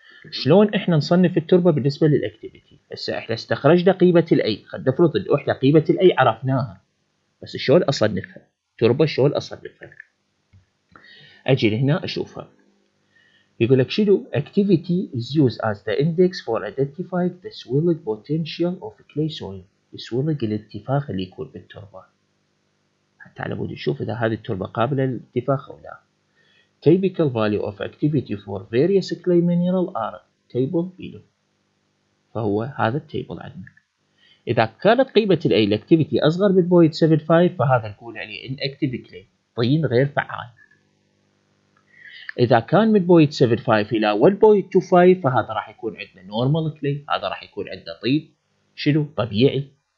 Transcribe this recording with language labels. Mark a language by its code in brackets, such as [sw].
[ar] شلون احنا نصنف التربة بالنسبة للاكتيفيتي هسه احنا استخرجنا قيمة الاي خلنا نفرض ان احنا قيمة الاي عرفناها بس شلون اصنفها تربة شلون اصنفها اجي هنا اشوفها يقول لك شنو [en] activity is used as the index for identifying the swelling potential of clay soil [ar] swelling الانتفاخ اللي يكون بالتربة حتى على بود نشوف اذا هذه التربة قابلة للانتفاخ او لا. [en] Typical value of activity for various clay mineral are table below. [ar] فهو هذا التيبل عندنا. إذا كانت قيمة الأي الأكتيفيتي أصغر من 0.75 فهذا نقول عليه inactive clay طين غير فعال. إذا كان من 0.75 إلى 1.25 فهذا راح يكون عندنا normal clay هذا راح يكون عندنا طين شنو طبيعي.